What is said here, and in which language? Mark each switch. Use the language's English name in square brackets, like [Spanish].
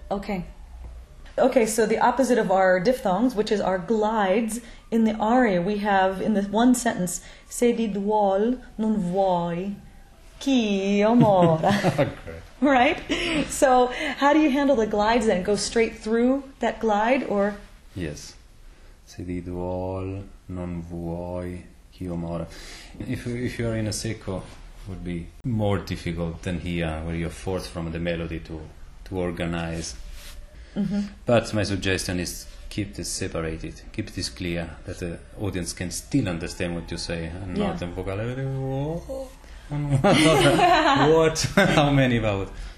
[English] Okay. Okay, so the opposite of our diphthongs, which is our glides, in the aria we have in this one sentence, [Italian] se di duol non vuoi chi o mora. [English] Okay. Right? So how do you handle the glides then? Go straight through that glide or? Yes. [Italian] Se di duol non vuoi chi o mora. [English] If you are in a secco, it would be more difficult than here, where you're forced from the melody to organize. Mm-hmm. But my suggestion is keep this separated, keep this clear, that the audience can still understand what you say, and yeah. Not in vocabulary. What? How many vowels?